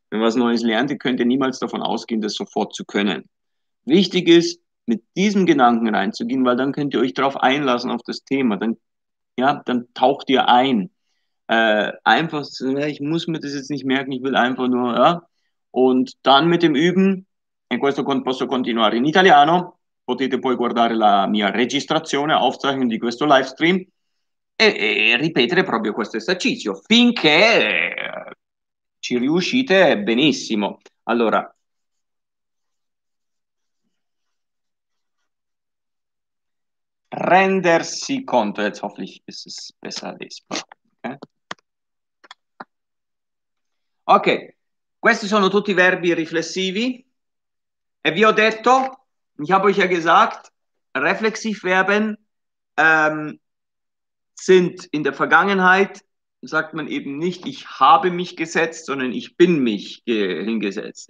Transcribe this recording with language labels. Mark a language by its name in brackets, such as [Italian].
[German] Wenn man was Neues lernt, könnt ihr niemals davon ausgehen, das sofort zu können. Wichtig ist, mit diesem Gedanken reinzugehen, weil dann könnt ihr euch darauf einlassen, auf das Thema. Dann, ja, dann taucht ihr ein. Einfach, ich muss mir das jetzt nicht merken, ich will einfach nur, ja. Und dann mit dem Üben, [Italian] in questo posso continuare in italiano, potete poi guardare la mia registrazione, Aufzeichnung di questo Livestream, e ripetere proprio questo esercizio, finché ci riuscite benissimo. Allora, rendersi conto, [German] jetzt hoffentlich ist es besser lesbar. Ok, [Italian] questi sono tutti i verbi riflessivi e vi ho detto, [German] ich habe euch ja gesagt, Reflexivverben sind in der Vergangenheit, sagt man eben nicht, ich habe mich gesetzt, sondern ich bin mich hingesetzt.